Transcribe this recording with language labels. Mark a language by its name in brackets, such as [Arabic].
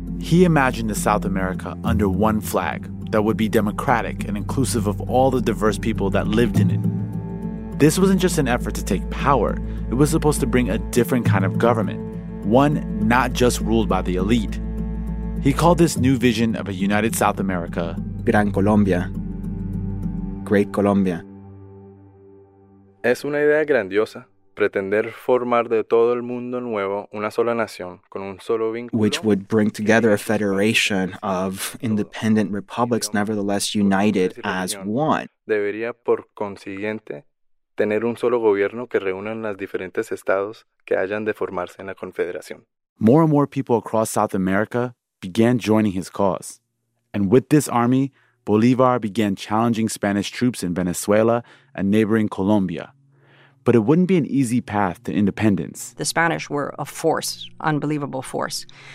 [English] He imagined the South America under one flag that would be democratic and inclusive of all the diverse people that lived in it. This wasn't just an effort to take power. It was supposed to bring a different kind of government, one not just ruled by the elite. He called this new vision of a united South America Gran Colombia, Great Colombia. [Spanish] Es una idea grandiosa pretender formar de todo el mundo nuevo una sola nación con un solo vínculo. [English] Which would bring together a federation of independent republics, nevertheless united as one. [Spanish] Debería, por consiguiente, tener un solo gobierno que reúna los diferentes estados que hayan de formarse en la confederación. [English] More and more people across South America began joining his cause. And with this army, Bolívar began challenging Spanish troops in Venezuela and neighboring Colombia. But it wouldn't be an easy path to independence. The Spanish were a force, unbelievable force.